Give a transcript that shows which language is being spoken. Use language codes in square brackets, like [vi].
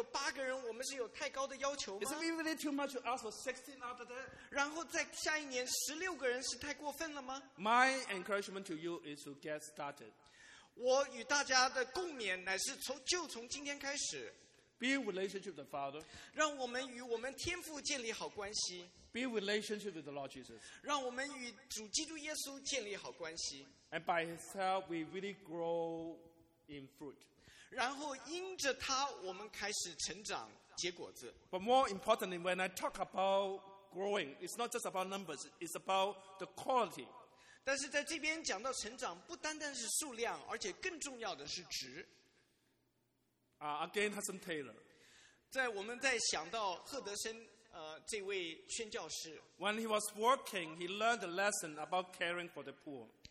[zh] 如果我们真的希望再下一年我们有8个人，我们是有太高的要求吗? [en] Is it really too much to ask for 16 after that? [zh] 然后再下一年16个人是太过分了吗? [en] My encouragement to you is to get started. [zh] 我与大家的共勉乃是就从今天开始 [en] Build relationship with the Father [zh] 让我们与我们天父建立好关系 [en] Build relationship with the Lord Jesus [zh] 让我们与主基督耶稣建立好关系 [en] And by His help we really grow in fruit [zh] 然后因着他我们开始成长结果子 [en] But more importantly when I talk about growing it's not just about numbers it's about the quality [zh] 但是在这边讲到成长，不单单是数量，而且更重要的是值。 [en] Again, Hudson Taylor. [zh] 在我们在想到赫德森这位宣教士。 [en] When he was working, he learned a lesson about caring for the poor.